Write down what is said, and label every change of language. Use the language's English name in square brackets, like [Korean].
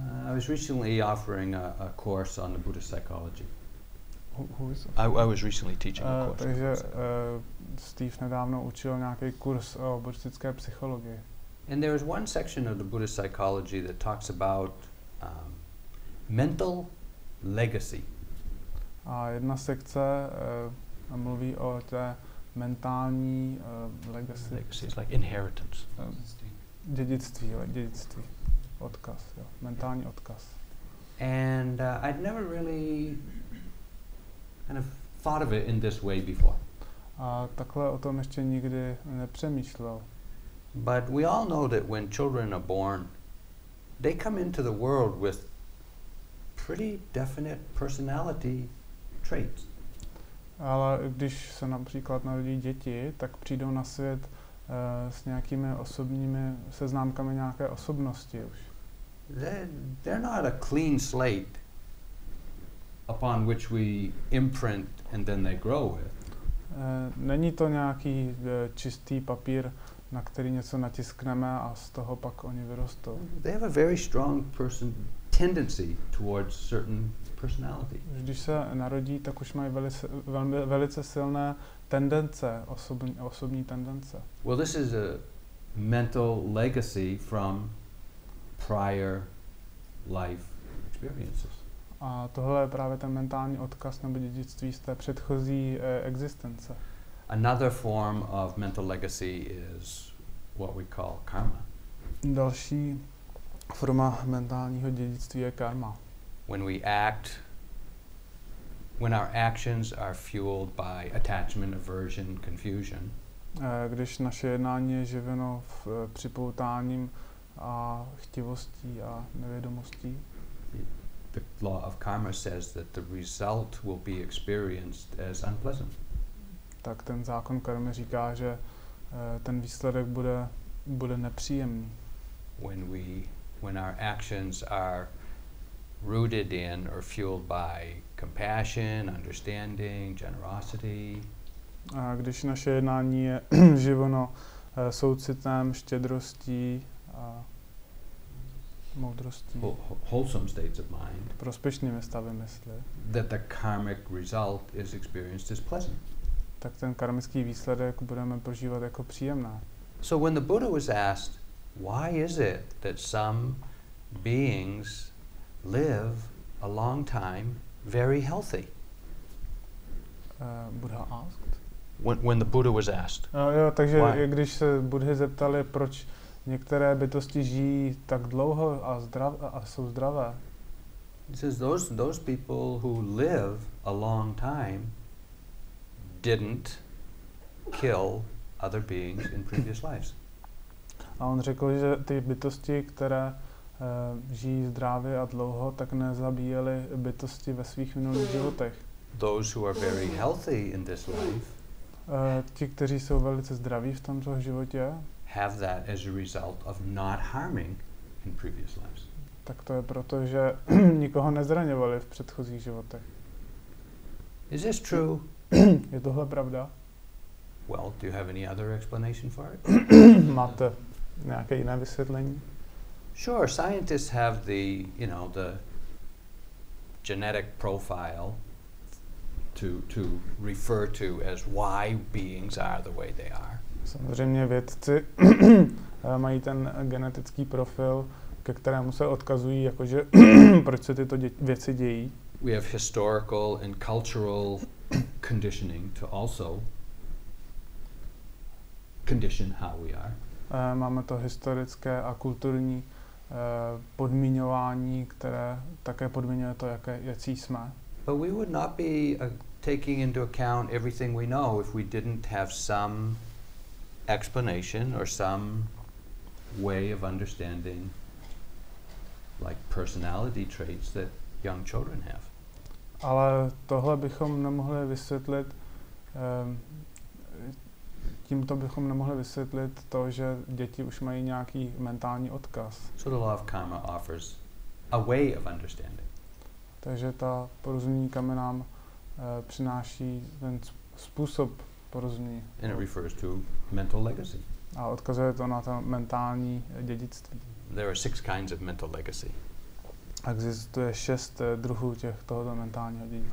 [English] I was recently offering a course on the Buddhist psychology. I was recently teaching a course. [Czech] Takže Steve nedávno učil nějaký kurz o buddhistické psychologii. [English] And there is one section of the Buddhist psychology that talks about mental legacy. [Czech] A jedna sekce mluví o té mentální legacy. [English] Legacy is like inheritance. [Czech] Dědictví, odkaz, jo, mentální odkaz. [English] And I'd never really kind of thought of it in this way before. [Czech] A takhle o tom ještě nikdy nepřemýšlel. [English] But we all know that when children are born, they come into the world with pretty definite personality traits. [Czech] Ale když se například narodí děti, tak přijdou na svět s nějakými osobními seznámkami nějaké osobnosti už. [English] They're not a clean slate. upon which we imprint and then they grow with. [Czech] Není to nějaký čistý papír, na který něco natiskneme a z toho pak oni vyrostou. [English] They have a very strong person tendency towards certain personality. [Czech] Když se narodí, tak už mají velice silné tendence, osobní tendence. [English] Well, this is a mental legacy from prior life experiences. [Czech] A tohle je právě ten mentální odkaz nebo dědictví z té předchozí existence. [English] Another form of mental legacy is what we call karma. [Czech] Další forma mentálního dědictví je karma. [English] When we act, when our actions are fueled by attachment, aversion, confusion. [Czech] Když naše jednání je živeno připoutáním a chtivostí a nevědomostí. [English] The law of karma says that the result will be experienced as unpleasant. [Czech] Tak ten zákon karmy říká, že ten výsledek bude nepříjemný. [English] When our actions are rooted in or fueled by compassion, understanding, generosity. [Czech] A když naše jednání je živono soucitem, štědrostí a moudrostí. [English] Wholesome states of mind. [Czech] Prospěšnými stavy mysli. [English] That the karmic result is experienced as pleasant. [Czech] Tak ten karmický výsledek budeme prožívat jako příjemné. [English] So when the Buddha was asked, why is it that some beings live a long time very healthy? Buddha asked. When the Buddha was asked. [Czech] Takže když se Buddhy zeptali, proč některé bytosti žijí tak dlouho a jsou zdravé. [English] He says those people who live a long time didn't kill other beings in previous lives. [Czech] A on řekl, že ty bytosti, které žijí zdravě a dlouho, tak nezabíjeli bytosti ve svých minulých životech. [English] Those who are very healthy in this life. [Czech] Ti, kteří jsou velice zdraví v tomto životě. [English] Have that as a result of not harming in previous lives. [Czech] Tak to je proto, že nikoho nezraňovali v předchozích životech. [English] Is this true? [Czech] Je tohle pravda? [English] Well, do you have any other explanation for it? [Czech] Máte nějaké jiné vysvětlení? [English] Sure, scientists have the, you know, the genetic profile to refer to as why beings are the way they are. [Czech] Samozřejmě vědci mají ten genetický profil, ke kterému se odkazují, jakože proč se tyto věci dějí. [English] We have historical and cultural conditioning to also condition how we are. [Czech] Máme to historické a kulturní podmiňování, které také podmiňuje to, jaký jsme. [English] But we would not be taking into account everything we know if we didn't have some explanation or some way of understanding like personality traits that young children have. [Czech] Ale tohle bychom nemohli vysvětlit, tímto bychom nemohli vysvětlit to, že děti už mají nějaký mentální odkaz. [English] So the law of karma offers a way of understanding. [Czech] Takže ta porozumění karmy nám přináší ten způsob porozumění. [English] And it refers to mental legacy. [Czech] A odkazuje to na to mentální dědictví. [English] There are six kinds of mental legacy. [Czech] Existuje šest druhů tohoto mentálního dědictví.